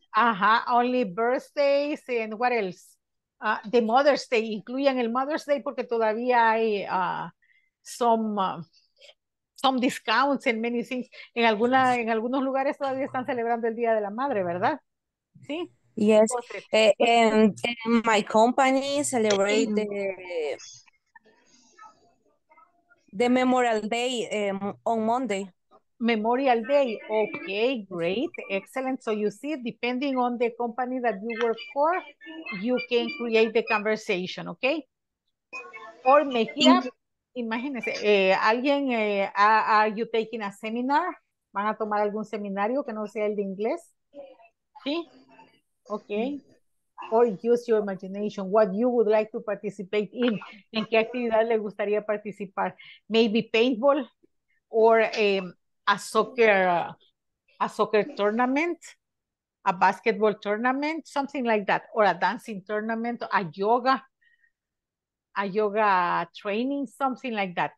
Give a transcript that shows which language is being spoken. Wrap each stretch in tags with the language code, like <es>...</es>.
<en>Ajá, only birthdays and what else? The Mother's Day,</en> <es>incluyan el Mother's Day porque todavía hay</es> <en>some discounts and many things.</en> <es>En algunos lugares todavía están celebrando el Día de la Madre, ¿verdad? Sí.</es> <en>Yes. And my company celebrate the Memorial Day on Monday. Memorial Day. Okay, great. Excellent. So you see, depending on the company that you work for, you can create the conversation, okay? Or Mejía,</en> <es>imagínese, alguien,</es> <en>are you taking a seminar?</en> <es>¿Van a tomar algún seminario que no sea el de inglés? Sí. Okay.</es> <en>Or use your imagination, what you would like to participate in.</en> <es>¿En qué actividad le gustaría participar?</es> <en>Maybe paintball or a soccer tournament, a basketball tournament, something like that, or a dancing tournament, a yoga training, something like that.</en>